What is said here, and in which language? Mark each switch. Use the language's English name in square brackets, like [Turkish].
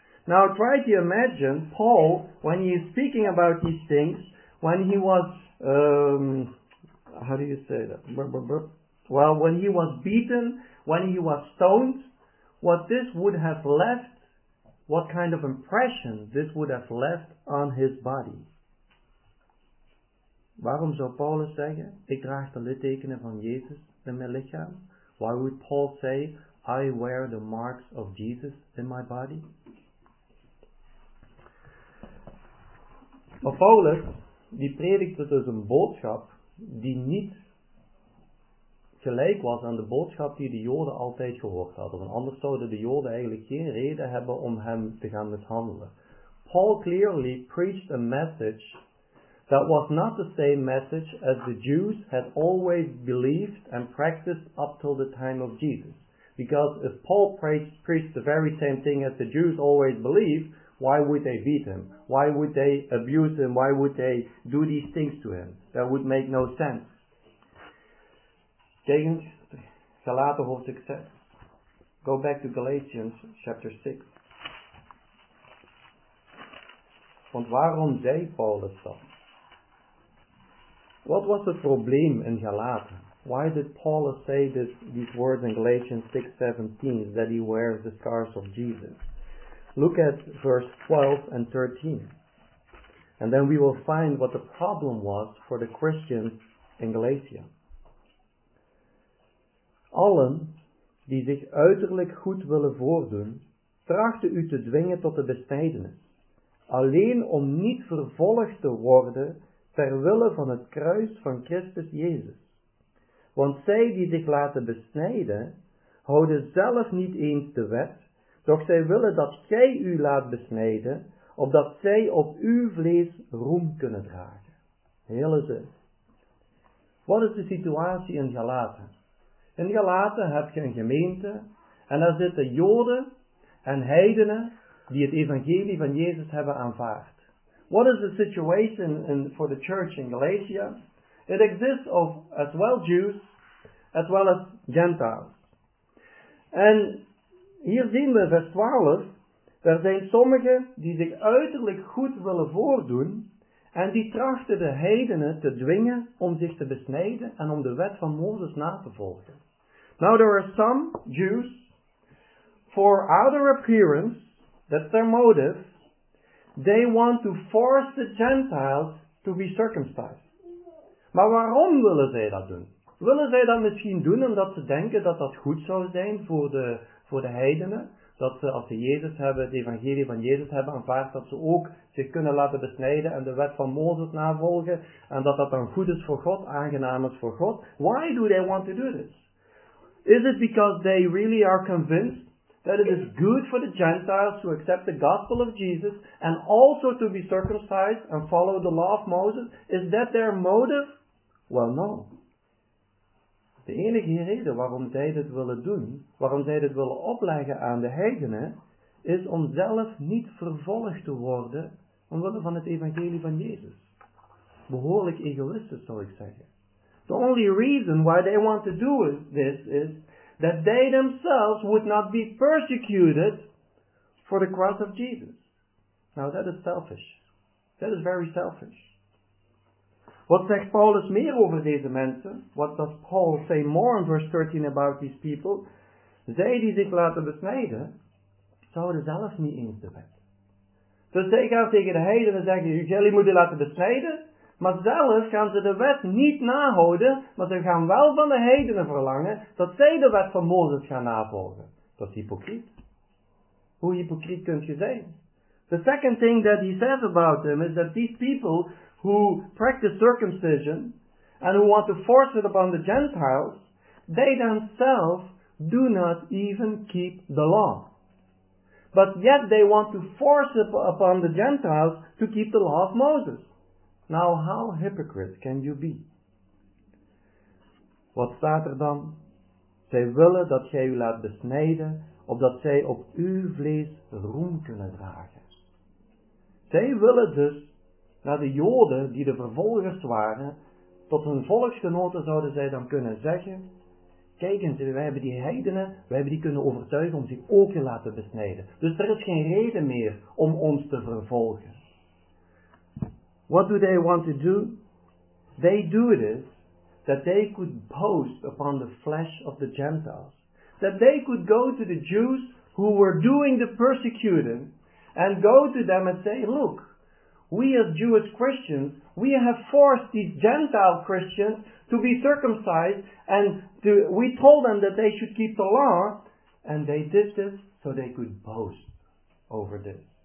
[English] Now try to imagine Paul, when he is speaking about these things, when he was, how do you say that? Well, when he was beaten, when he was stoned, what this would have left, what kind of impression this would have left on his body. [Dutch] Waarom zou Paulus zeggen, ik draag de littekenen van Jezus in mijn lichaam? [English] Why would Paul say, I wear the marks of Jesus in my body? [Dutch] Maar Paulus, die predikte dus een boodschap die niet gelijk was aan de boodschap die de Joden altijd gehoord hadden. Want anders zouden de Joden eigenlijk geen reden hebben om hem te gaan mishandelen. [English] Paul clearly preached a message that was not the same message as the Jews had always believed and practiced up till the time of Jesus. Because if Paul preached the very same thing as the Jews always believed, why would they beat him? Why would they abuse him? Why would they do these things to him? That would make no sense. [Dutch] Kijk, Galaten hoofdstuk 6. [English] Go back to Galatians chapter 6. [Dutch] Want waarom zei Paulus dat? What was het probleem in Galaten? [English] Why did Paul say these words in Galatians 6:17 that he wears the scars of Jesus? Look at verse 12 and 13. And then we will find what the problem was for the Christians in Galatia. [Dutch] Allen die zich uiterlijk goed willen voordoen, trachten u te dwingen tot de besnijdenis, alleen om niet vervolgd te worden ter wille van het kruis van Christus Jezus. Want zij die zich laten besnijden, houden zelf niet eens de wet, doch zij willen dat gij u laat besnijden, opdat zij op uw vlees roem kunnen dragen. Hele zin. Wat is de situatie in Galaten? In Galaten heb je een gemeente, en daar zitten Joden en heidenen die het evangelie van Jezus hebben aanvaard. [English] What is the situation for the church in Galatia? It exists of as well Jews as well as Gentiles. [Dutch] En hier zien we vers 12. Er zijn sommigen die zich uiterlijk goed willen voordoen. En die trachten de heidenen te dwingen om zich te besnijden en om de wet van Mozes na te volgen. [English] Now there are some Jews, for outer appearance, That's their motive. They want to force the Gentiles to be circumcised. [Dutch] Maar waarom willen zij dat doen? Willen zij dat misschien doen omdat ze denken dat dat goed zou zijn voor de heidenen? Dat ze, als ze Jezus hebben, het evangelie van Jezus hebben aanvaard, dat ze ook zich kunnen laten besnijden en de wet van Mozes navolgen. En dat dat dan goed is voor God, aangenaam is voor God. [English] Why do they want to do this? Is it because they really are convinced that it is good for the Gentiles to accept the gospel of Jesus and also to be circumcised and follow the law of Moses? Is that their motive? Well, no. [Dutch] De enige reden waarom zij dit willen doen, waarom zij dit willen opleggen aan de heidenen, is om zelf niet vervolgd te worden omwille van het evangelie van Jezus. Behoorlijk egoïstisch, zou ik zeggen. [English] The only reason why they want to do this is that they themselves would not be persecuted for the cross of Jesus. Now that is selfish. That is very selfish. [Dutch] Wat zegt Paulus meer over deze mensen? [English] What does Paul say more in verse 13 about these people? [Dutch] Zij die zich laten besnijden, zouden zelf niet eens de wet. Dus zij gaan tegen de heidenen zeggen, jullie moeten laten besnijden. Maar zelf gaan ze de wet niet nahouden, maar ze gaan wel van de heidenen verlangen dat zij de wet van Mozes gaan navolgen. Dat is hypocriet. Hoe hypocriet kun je zijn? [English] The second thing that he says about them is that these people who practice circumcision and who want to force it upon the Gentiles, they themselves do not even keep the law. But yet they want to force it upon the Gentiles to keep the law of Moses. Now, how hypocrite can you be? [Dutch] Wat staat er dan? Zij willen dat gij u laat besnijden, opdat zij op uw vlees roem kunnen dragen. Zij willen dus naar de Joden die de vervolgers waren, tot hun volksgenoten zouden zij dan kunnen zeggen, kijk eens, wij hebben die heidenen, wij hebben die kunnen overtuigen om zich ook te laten besnijden. Dus er is geen reden meer om ons te vervolgen. [English] What do they want to do? They do this, that they could boast upon the flesh of the Gentiles. That they could go to the Jews who were doing the persecuting, and go to them and say, look, we as Jewish Christians, we have forced these Gentile Christians to be circumcised, and we told them that they should keep the law, and they did this so they could boast over this.